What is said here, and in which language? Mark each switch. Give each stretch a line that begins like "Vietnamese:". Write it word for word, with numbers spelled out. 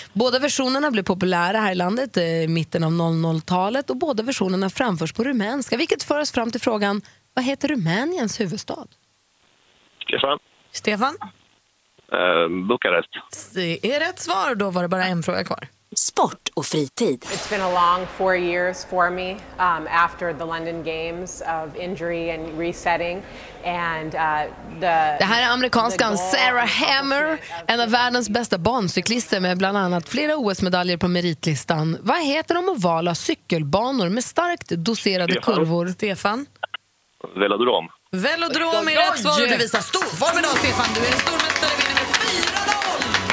Swedish: Båda versionerna blev populära här i landet i mitten av noll noll-talet och båda versionerna framförs på rumänska, vilket för oss fram till frågan, vad heter Rumäniens huvudstad? Stefan. Stefan? Uh, Bukarest. Det är rätt svar, då var det bara en fråga kvar. Sport och fritid.
English: It's been a long four years for me um, after the London Games of injury and resetting. And, uh, the,
Swedish: det här är amerikanskan Sarah Hammer, en av världens bästa bancyklister med bland annat flera O S-medaljer på meritlistan. Vad heter de ovala cykelbanor med starkt doserade Stefan. kurvor? Stefan? Velodrom. Velodrom är rätt svar, och du visar storformen då, Stefan. Du är en stormästare, vinner med fyra noll.